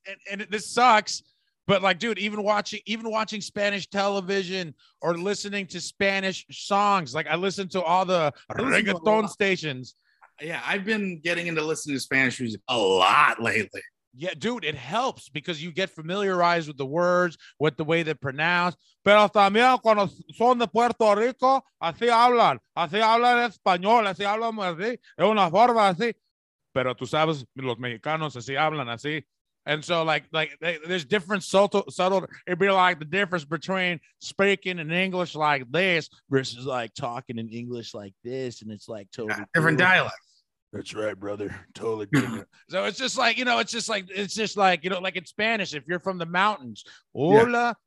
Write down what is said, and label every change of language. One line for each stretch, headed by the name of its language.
English: And this sucks, but like, dude, even watching Spanish television or listening to Spanish songs, like I listen to all the reggaeton stations. Yeah, I've been getting into listening to Spanish music a lot lately. Yeah, dude, it helps because you get familiarized with the words, with the way they're pronounced.
Spanish: Pero también cuando son de Puerto Rico, así hablan español, así hablan así, es una forma así. Pero tú sabes, los mexicanos así hablan así.
English: And so, there's different subtle, it'd be like the difference between speaking in English like this versus, like, talking in English like this, and it's, like, totally different cool. dialect. That's right, brother. Totally different. So, it's just like, you know, in Spanish, if you're from the mountains, hola, yeah.